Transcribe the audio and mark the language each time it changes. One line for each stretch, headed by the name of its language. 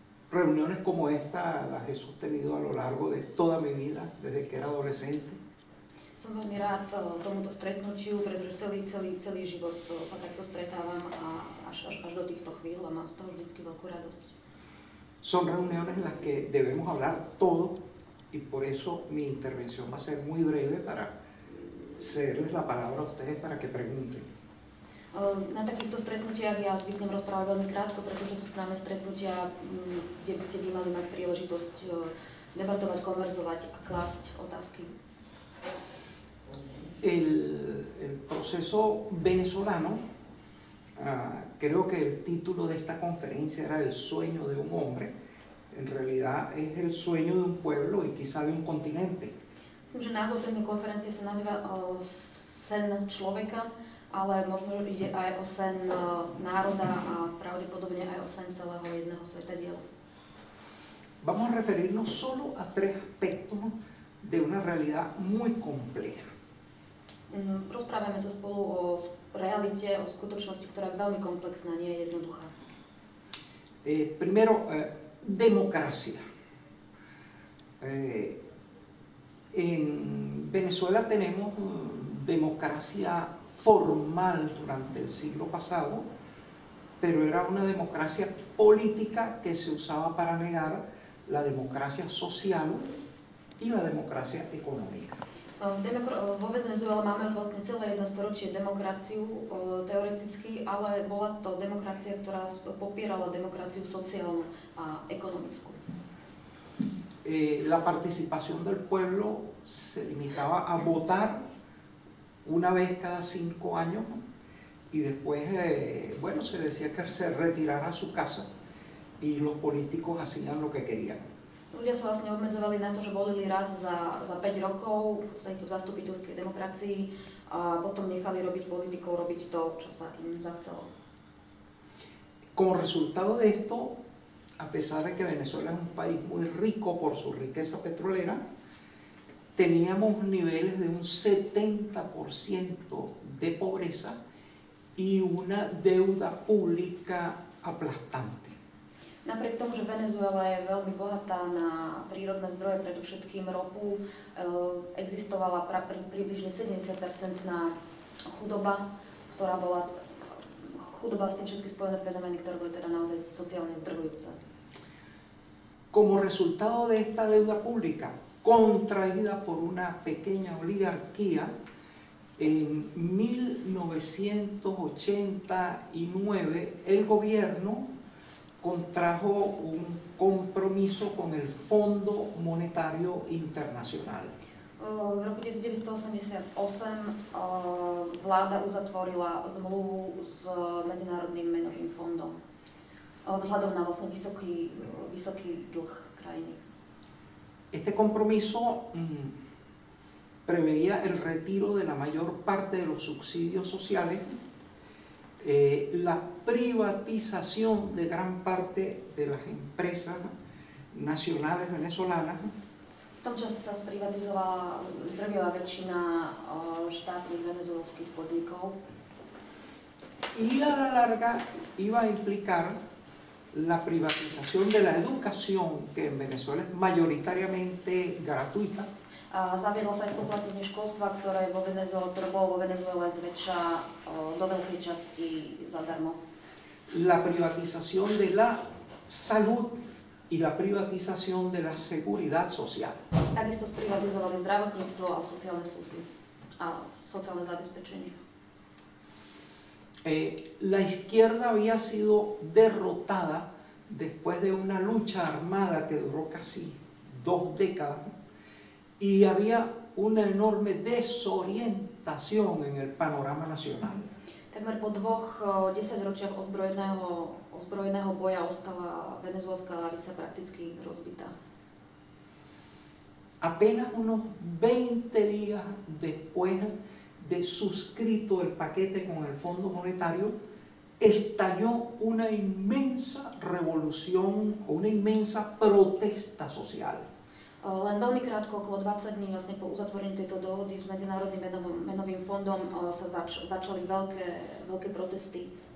Spanish: Reuniones como esta las he sostenido a lo largo de toda mi vida, desde que era adolescente.
Slovak: Som veľmi rád tomuto stretnutiu, pretože celý život sa takto stretávam a až do týchto chvíľ a mám z toho vždycky veľkú radosť.
Spanish: Son reuniones en las que debemos hablar todo y por eso mi intervención va a ser muy breve para cederles la palabra a ustedes para que pregunten.
Slovak: Na takýchto stretnutiach ja zvyknem rozprávať veľmi krátko, pretože sú známe stretnutia, kde by ste vy mali mať príležitosť debatovať, konverzovať a klásť otázky.
Spanish: El proceso venezolano, creo que el título de esta conferencia era El sueño de un hombre. En realidad es el sueño de un pueblo y quizá de un continente.
Slovak: Myslím, že názov tejto konferencie sa nazýva Sen človeka, ale možno ide aj o sen národa a pravdepodobne aj o sen celého jedného svetadiela.
Spanish: Vamos a referirnos solo a tres aspectos de una realidad muy compleja.
Slovak: Rozprávame sa spolu o realite, o skutočnosti, ktorá je veľmi komplexná, nie je jednoduchá.
Spanish: Primero, demokracia. En Venezuela tenemos democracia formal durante el siglo pasado, pero era una democracia política que se usaba para negar la democracia social y la democracia económica.
Slovak: Vo Venezuele máme vlastne celé jedno storočie demokraciu teoreticky, ale bola to demokracia, ktorá popierala demokraciu sociálnu a ekonomickú.
Spanish: La participación del pueblo se limitaba a votar una vez cada 5 años y después, bueno, se decía que se retirara a su casa y los políticos hacían lo que querían.
Slovak: Ľudia sa vlastne obmedzovali na to, že volili raz za 5 rokov v zastupiteľskej demokracii a potom nechali robiť politikov, robiť to, čo sa im zachcelo.
Spanish: Como resultado de esto, a pesar de que Venezuela es un país muy rico por su riqueza petrolera, teníamos niveles de un 70% de pobreza y una deuda pública aplastante.
Slovak: Napriek tomu, že Venezuela je veľmi bohatá na prírodné zdroje, predovšetkým ropu, existovala približne 70% chudoba, ktorá bola chudoba s tým všetky spojené fenomény, ktoré boli teda naozaj sociálne zdrvujúce.
Spanish: Como resultado de esta deuda pública, contraída por una pequeña oligarquía, en 1989 el gobierno contrajo un compromiso con el Fondo Monetario Internacional.
Slovak: V roku 1988 vláda uzatvorila zmluvu s Medzinárodným menovým fondom vzhľadom na vlastne vysoký dlh krajiny.
Spanish: Este compromiso preveía el retiro de la mayor parte de los subsidios sociales, la privatización de gran parte de las empresas nacionales venezolanas.
Slovak: V tom čase sa sprivatizovala drvivá väčšina štátnych venezuelských podnikov.
Spanish: Y a la larga iba a implicar la privatización de la educación, que en Venezuela es mayoritariamente gratuita.
Slovak: A zaviedlo sa aj spoplatnenie školstva, ktoré bolo vo Venezuele zväčša do veľkej časti zadarmo.
Spanish: La privatización de la salud y la privatización de la seguridad social.
Slovak: Takisto sprivatizovali zdravotníctvo a sociálne služby a sociálne zabezpečenie.
Spanish: La izquierda había sido derrotada después de una lucha armada que duró casi 2 décadas. Y había una enorme desorientación en el panorama nacional. La
Slovak: Takmer po dvoch desaťročiach ozbrojeného boja ostala venezuelská lavica prakticky rozbitá.
Spanish: Apenas unos 20 días después de suscrito el paquete con el Fondo Monetario, estalló una inmensa revolución o una inmensa protesta social.
Slovak: Len veľmi krátko, okolo 20 dní vlastne po uzatvorení tejto dohody s Medzinárodným menovým fondom sa začali veľké protesty.